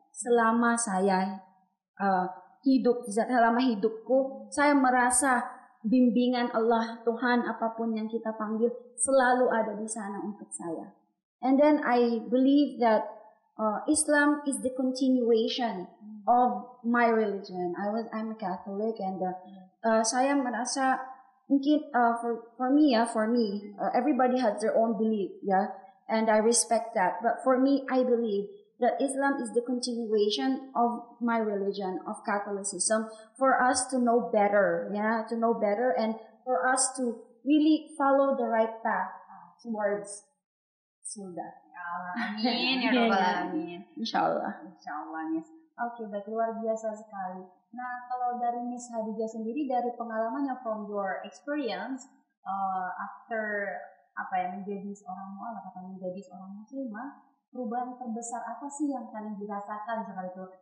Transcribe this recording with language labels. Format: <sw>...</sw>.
<id>Selama saya hidup, selama hidupku, saya merasa bimbingan Allah, Tuhan, apapun yang kita panggil, selalu ada di sana untuk saya.</id> <en>And then I believe that Islam is the continuation of my religion. I'm a Catholic, and</en> <id>saya merasa mungkin</id> <en>for me, everybody has their own belief, yeah, and I respect that. But for me, I believe that Islam is the continuation of my religion, of Catholicism, for us to know better, yeah, to know better, and for us to really follow the right path towards surga.</en> <ar>Amin ya rabbal alamin. Insyaallah</ar> <en>Miss.</en> <id>Oke, baik, luar biasa sekali. Nah, kalau dari Miss Hadijah sendiri, dari pengalamannya,</id> <en>from your experience</en> <id>after apa ya, menjadi seorang mualaf atau menjadi seorang muslimah, perubahan terbesar apa sih yang kalian dirasakan sekarang itu?</id>